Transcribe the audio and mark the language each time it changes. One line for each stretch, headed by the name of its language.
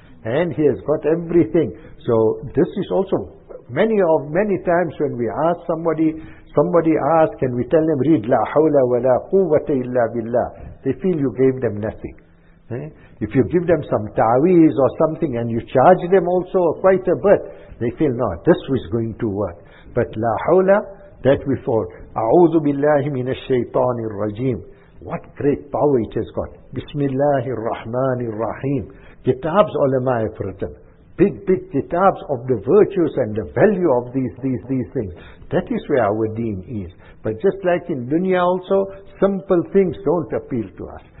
English: And he has got everything. So this is also many times when we ask somebody asks, can we tell them, read
Arabic: لَا حَوْلَ وَلَا قُوَّةَ إِلَّا بِاللَّهِ.
English: They feel you gave them nothing. If you give them some ta'weez or something and you charge them also quite a bit, they feel, no, this is going to work. But
Arabic: la hawla,
English: that before.
Arabic: أعوذ بالله من الشيطان الرجيم.
English: What great power it has got.
Arabic: بسم الله الرحمن الرحيم.
English: Kitabs ulama have written. Big kitabs of the virtues and the value of these things. That is where our deen is. But just like in dunya also, simple things don't appeal to us.